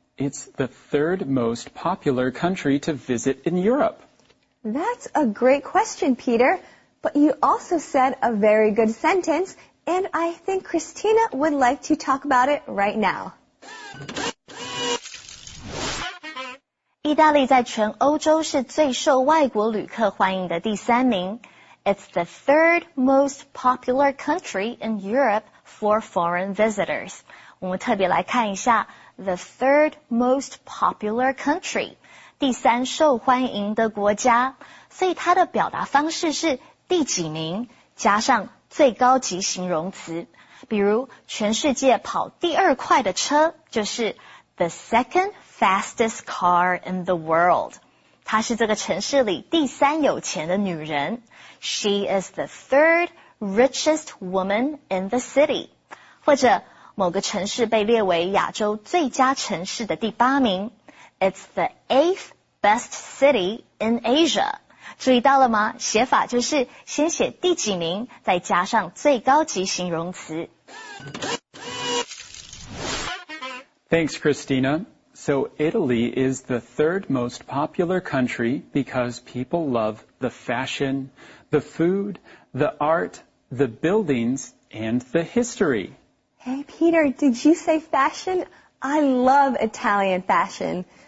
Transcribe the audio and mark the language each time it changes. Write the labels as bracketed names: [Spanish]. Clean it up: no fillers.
[English] It's the third most popular country to visit in Europe. That's a great question, Peter. But you also said a very good sentence, and I think Christina would like to talk about it right now. [Chinese] 意大利在全欧洲是最受外国旅客欢迎的第三名。 [English] It's the third most popular country in Europe for foreign visitors. [Chinese] 我们特别来看一下 [English] the third most popular country, [Chinese] 第三受欢迎的国家。所以它的表达方式是第几名加上最高级形容词。比如全世界跑第二快的车就是 [English] the second fastest car in the world. [Chinese] 她是这个城市里第三有钱的女人。 [English] She is the third richest woman in the city. [Chinese] 或者某个城市被列为亚洲最佳城市的第八名。 [English] It's the eighth best city in Asia. [Chinese] 注意到了吗？写法就是先写第几名，再加上最高级形容词。 [English] Thanks, Christina. So Italy is the third most popular country because people love the fashion, the food, the art, the buildings, and the history. Hey, Peter, did you say fashion? I love Italian fashion.